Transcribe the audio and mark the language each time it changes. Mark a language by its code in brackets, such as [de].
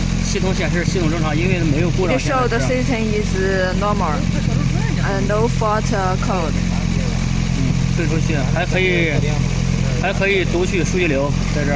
[zh] 系统显示系统正常，因为没有故障。 [en] It show the system is normal and no fault code. [zh] 嗯，退出去还可以读取数据流，在这儿。